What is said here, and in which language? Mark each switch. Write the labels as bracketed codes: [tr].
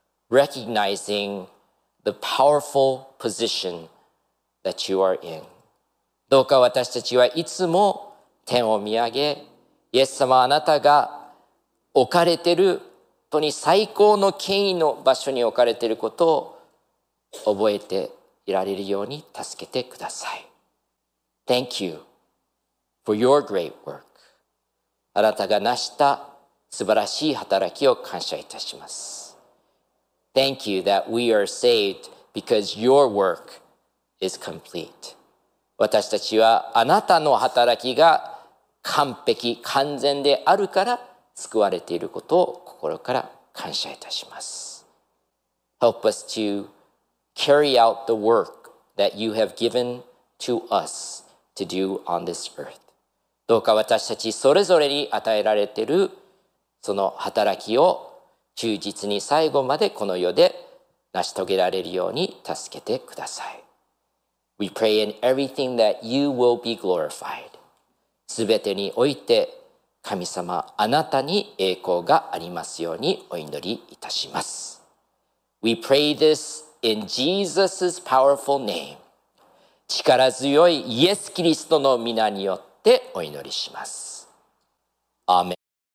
[en] recognizing the powerful position that you are in. [ja] どうか私たちはいつも天を見上げ、イエス様あなたが置かれている本当に最高の権威の場所に置かれていることを覚えていられるように助けてください。 [en] Thank you for your great work. [ja] あなたが成した素晴らしい働きを感謝いたします。 [en] Thank you that we are saved because your work is complete. [ja] 私たちはあなたの働きが完璧、完全であるから救われていることを心から感謝いたします。 [en] Help us to carry out the work that you have given to us to do on this earth. [ja] どうか私たちそれぞれに与えられているその働きを忠実に最後までこの世で成し遂げられるように助けてください。 [en] We pray in everything that you will be glorified. [ja] すべてにおいて神様、あなたに栄光がありますようにお祈りいたします。 [en] We pray this in Jesus' powerful name. [ja] 力強いイエス・キリストの御名によってお祈りします。アーメン。